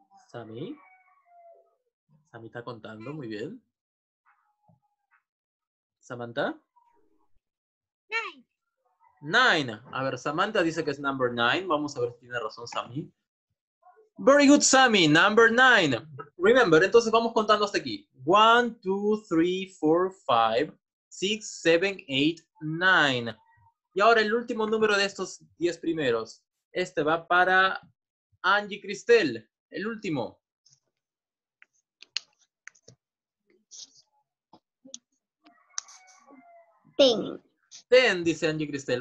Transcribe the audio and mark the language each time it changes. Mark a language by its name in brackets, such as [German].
[Spanish] Sammy. Sammy está contando, muy bien. Samantha. [English] Nine. [Spanish] A ver, Samantha dice que es [English] number nine. [Spanish] Vamos a ver si tiene razón Sammy. [English] Very good, Sammy. Number nine. Remember, [Spanish] entonces vamos contando hasta aquí. [English] One, two, three, four, five, six, seven, eight, nine. [Spanish] Y ahora el último número de estos 10 primeros. Este va para Angie Cristel. El último. [English] Ten, [Spanish] dice Angie Cristel.